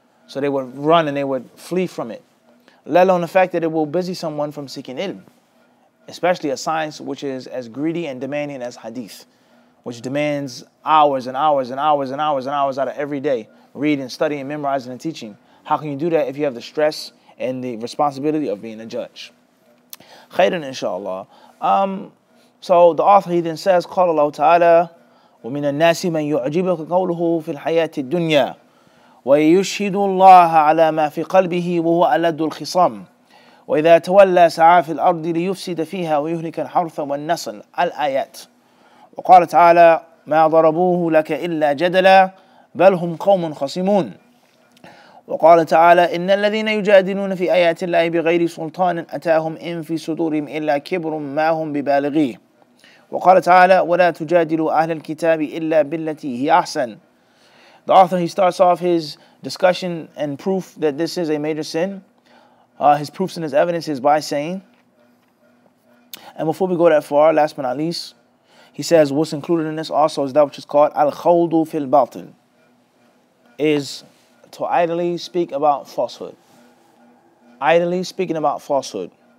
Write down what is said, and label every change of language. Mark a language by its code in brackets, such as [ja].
[en] So they would run and they would flee from it. Let alone the fact that it will busy someone from seeking ilm, especially a science which is as greedy and demanding as hadith, which demands hours and hours and hours and hours and hours out of every day, reading, studying, memorizing, and teaching. How can you do that if you have the stress and the responsibility of being a judge? Khayran, inshallah. So the author, he then says, [ar] قال الله تعالى ومن الناس من يعجبك قوله في الحياة الدنيا ويشهد الله على ما في قلبه وهو ألد الخصام وإذا تولى سعى في الأرض ليفسد فيها ويهلك الحرث والنسل. الآيات. وقال تعالى ما ضربوه لك إلا جدلا بل هم قوم خصمون. وقال تعالى إن الذين يجادلون في آيات الله بغير سلطان أتاهم إن في صدورهم إلا كبر ما هم ببالغيه. وقال تعالى ولا تجادلوا أهل الكتاب إلا بالتي هي أحسن. [en] The author, he starts off his discussion and proof that this is a major sin. His proofs and his evidence is by saying, and before we go that far, last but not least, he says what's included in this also is that which is called al-khawdu fil batil, is to idly speak about falsehood. Idly speaking about falsehood.